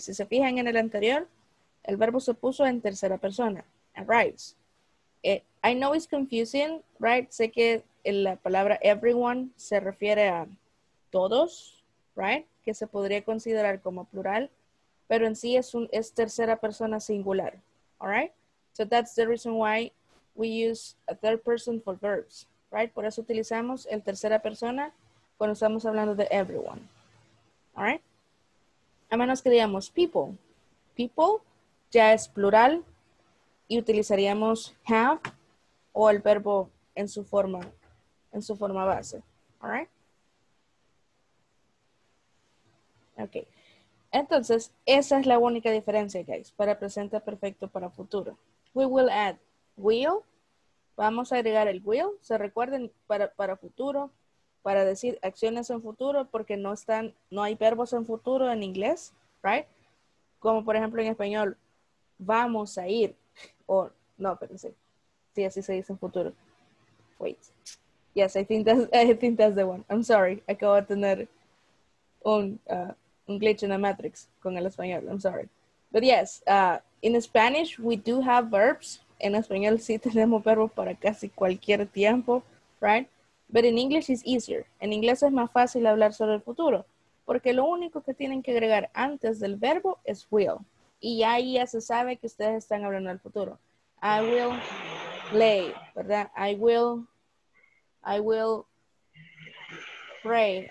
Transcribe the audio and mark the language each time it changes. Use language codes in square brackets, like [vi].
[es] Si se fijan en el anterior, el verbo se puso en tercera persona, arrives. [en] I know it's confusing, right? [es] Sé que la palabra everyone se refiere a todos, right? que se podría considerar como plural, pero en sí es tercera persona singular. [en] All right? So that's the reason why we use a third person for verbs, right? [es] Por eso utilizamos el tercera persona cuando estamos hablando de everyone. [en] All right? [es] A menos que digamos people. People ya es plural y utilizaríamos have o el verbo en su forma base. All right? [en] Okay. [es] Entonces, esa es la única diferencia, guys, para presente perfecto para futuro. [en] We will add will. [es] Vamos a agregar el will. Se recuerden para futuro, para decir acciones en futuro, porque no están, no hay verbos en futuro en inglés, right? Como por ejemplo en español, vamos a ir. O no, pero sí. Sí, así se dice en futuro. [en] Wait. Yes, I think that's the one. I'm sorry. [es] Acabo de tener un [en] glitch in the matrix [es] con el español. [en] I'm sorry. But yes, in Spanish, we do have verbs. [es] En español sí tenemos verbos para casi cualquier tiempo, right? [en] But in English, it's easier. [es] En inglés es más fácil hablar sobre el futuro, porque lo único que tienen que agregar antes del verbo es will. Y ahí ya se sabe que ustedes están hablando del futuro. [en] I will play, [es] ¿verdad? [en] I will pray.